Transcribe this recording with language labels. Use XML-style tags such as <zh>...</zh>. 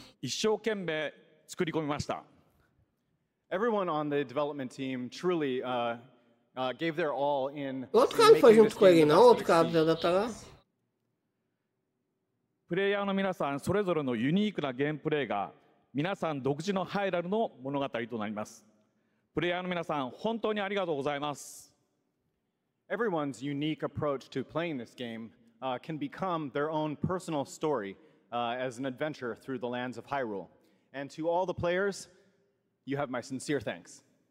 <ja>一生懸命作り込みました。</ja> <en>Everyone on the development team truly gave their all in.</en> <pt>Outro cara foi junto com ele, não? Outro cara já está lá.</pt> <ja>プレイヤーの皆さんそれぞれのユニークなゲームプレイが皆さん独自のハイラルの物語となります。プレイヤーの皆さん本当にありがとうございます。</ja> <en>Everyone's unique approach to playing this game can become their own personal story as an adventure through the lands of Hyrule. And to all the players, you have my sincere thanks.</en>